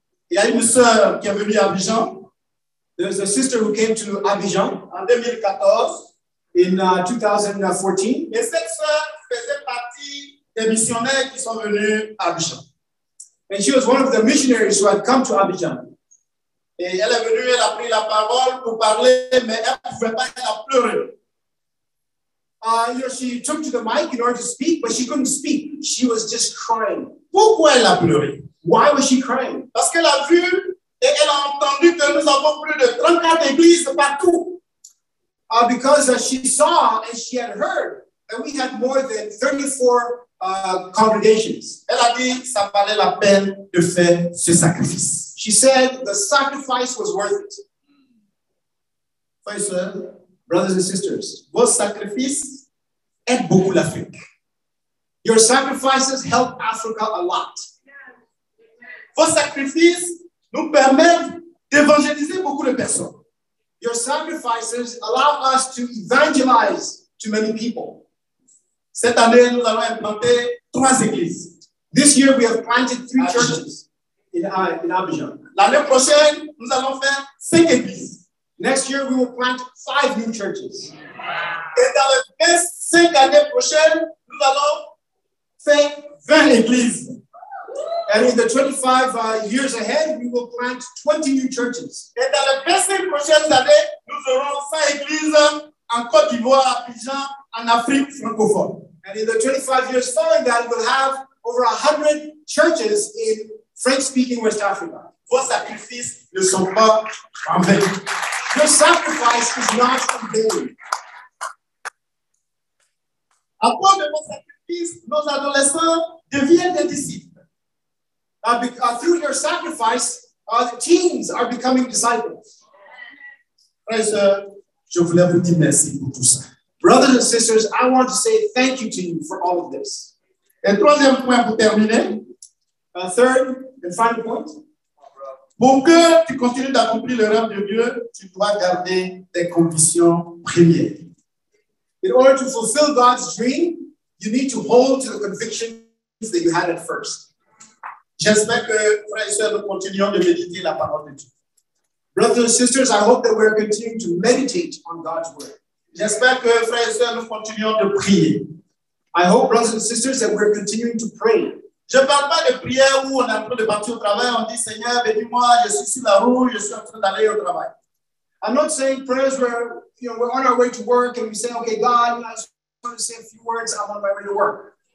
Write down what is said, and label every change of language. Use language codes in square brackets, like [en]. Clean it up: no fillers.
[fr] Il y a une sœur qui est venue à Abidjan. [en] There's a sister who came to Abidjan. [fr] En 2014. [en] In 2014. [fr] Et cette sœur faisait partie des missionnaires qui sont venus à Abidjan. [en] And she was one of the missionaries who had come to Abidjan. [fr] Et elle est venue, elle a pris la parole pour parler, mais elle ne pouvait pas, elle a pleuré. [en] She took to the mic in order to speak, but she couldn't speak. She was just crying. [fr] Pourquoi elle a pleuré? [en] Why was she crying? [fr] Parce qu'elle a vu et elle a entendu que nous avons plus de 34 églises partout. [en] Because she saw and she had heard that we had more than 34 congregations. [fr] Elle a dit, ça valait la peine de faire ce sacrifice. [en] She said the sacrifice was worth it. [fr] Frères et sœurs, [en] brothers and sisters, [fr] vos sacrifices aident beaucoup l'Afrique. [en] Your sacrifices help Africa a lot. [fr] Vos sacrifices nous permettent d'évangéliser beaucoup de personnes. [en] Your sacrifices allow us to evangelize to many people. [fr] Cette année, nous allons implanter trois églises. [en] This year, we have planted three churches in Abidjan. [fr] L'année prochaine, nous allons faire cinq églises. [en] Next year, we will plant five new churches. Wow. [fr] Et dans les cinq années prochaines, nous allons faire 20 églises. [en] And in the 25 years ahead, we will plant 20 new churches. [fr] Et dans les 25 prochaines années, nous aurons 5 églises en Côte d'Ivoire, Abidjan, en Afrique francophone. [en] And in the 25 years following that, we'll have over 100 churches in French-speaking West Africa. [fr] Vos sacrifices ne sont pas en vain. [en] Your sacrifice is not in vain. [fr] À cause de vos sacrifices, nos adolescents deviennent des disciples. [en] Through your sacrifice, the teens are becoming disciples. [fr] Frères, je voulais vous dire merci pour tout ça. [en] Brothers and sisters, I want to say thank you to you for all of this. [fr] Et troisième point pour terminer. [en] Third and final point. [fr] Pour que tu continues d'accomplir le rêve de Dieu, tu dois garder tes convictions premières. [en] In order to fulfill God's dream, you need to hold to the convictions that you had at first. [fr] J'espère que, frères et sœurs, nous continuons de méditer la parole de Dieu. [en] Brothers and sisters, I hope that we are continuing to meditate on God's word. [fr] J'espère que, frères et sœurs, nous continuons de prier. [en] I hope, brothers and sisters, that we are continuing to pray. [fr] Je ne parle pas de prière où on est en train de partir au travail, on dit, Seigneur, bénis-moi, je suis sur la route, je suis en train d'aller au travail. [en] I'm not saying prayers where, you know, we're on our way to work and we say, okay, God, I just want to say a few words, I'm on my way to work.